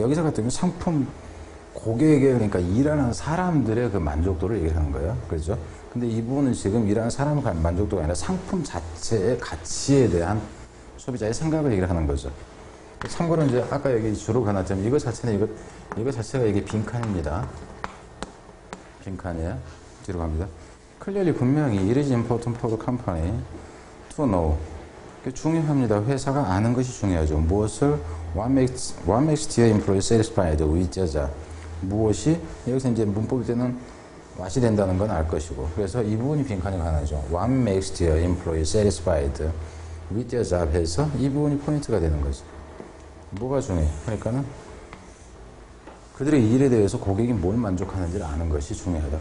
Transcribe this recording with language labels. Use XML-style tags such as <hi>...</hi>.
<ko>여기서 같은 경우 상품 고객에게 그러니까 일하는 사람들의 그 만족도를 얘기하는 거예요. 그렇죠? 근데 이 부분은 지금 일하는 사람의 만족도가 아니라 상품 자체의 가치에 대한 소비자의 생각을 얘기를 하는 거죠. 참고로 이제 아까 여기 주로 가놨지만 이거 자체는 이거 자체가 이게 빈칸입니다. 빈칸이에요. 뒤로 갑니다.</ko> <en>Clearly</en> <ko>분명히</ko> <en>it is important for the company to know.</en> <ko>그게 중요합니다. 회사가 아는 것이 중요하죠. 무엇을</ko> <en>what makes their employees satisfied with their job.</en> <ko>무엇이 여기서 이제 문법이 되는 맛이 된다는 건 알 것이고 그래서 이 부분이 빈칸이 가능하죠.</ko> <en>What makes their employee satisfied with their job</en> <ko>해서 이 부분이 포인트가 되는 거죠. 뭐가 중요해? 그러니까는 그들의 일에 대해서 고객이 뭘 만족하는지를 아는 것이 중요하다.</ko>